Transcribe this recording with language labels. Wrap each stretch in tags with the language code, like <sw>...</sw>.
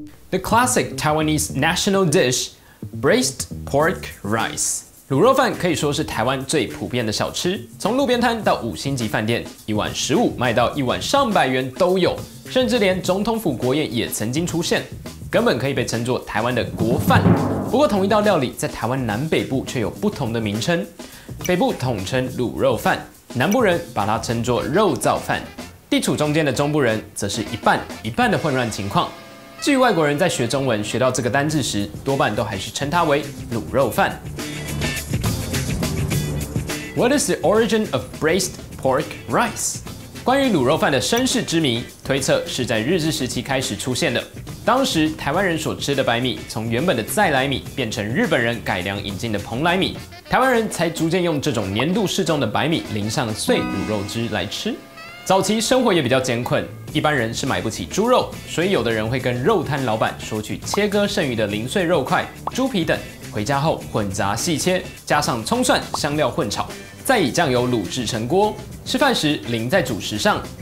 <en>The classic Taiwanese national dish, braised pork rice.</en> <zh>卤肉饭可以说是台湾最普遍的小吃，从路边摊到五星级饭店，一碗15卖到一碗上百元都有，甚至连总统府国宴也曾经出现，根本可以被称作台湾的国饭。不过同一道料理在台湾南北部却有不同的名称，北部统称卤肉饭，南部人把它称作肉燥饭，地处中间的中部人则是一半一半的混乱情况。至于外国人在学中文学到这个单字时，多半都还是称它为卤肉饭。</zh> <en>What is the origin of braised pork rice?</en> <zh>关于卤肉饭的身世之谜，推测是在日治时期开始出现的。当时台湾人所吃的白米，从原本的再来米变成日本人改良引进的蓬莱米，台湾人才逐渐用这种年度适中的白米淋上碎卤肉汁来吃。早期生活也比较艰困，一般人是买不起猪肉，所以有的人会跟肉摊老板收取切割剩余的零碎肉块、猪皮等，回家后混杂细切，加上葱蒜香料混炒，再以酱油卤制成锅，吃饭时淋在主食上。</zh>